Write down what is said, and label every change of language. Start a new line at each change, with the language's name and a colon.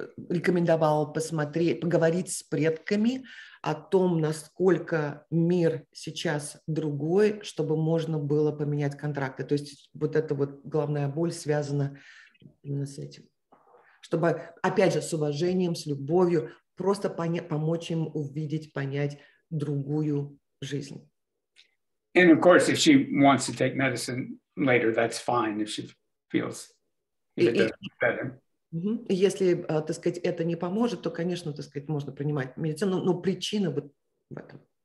Russian: Рекомендовал посмотреть, поговорить с предками о том, насколько мир сейчас другой, чтобы можно было поменять контракты. То есть вот эта вот главная боль связана именно с этим. Чтобы, опять же, с уважением, с любовью, просто помочь им увидеть, понять другую жизнь.
English: And of course, if she wants to take medicine later, that's fine, if she feels better.
Russian: Если, так сказать, это не поможет, то, конечно, так сказать, можно принимать медицину, но причина вот в этом.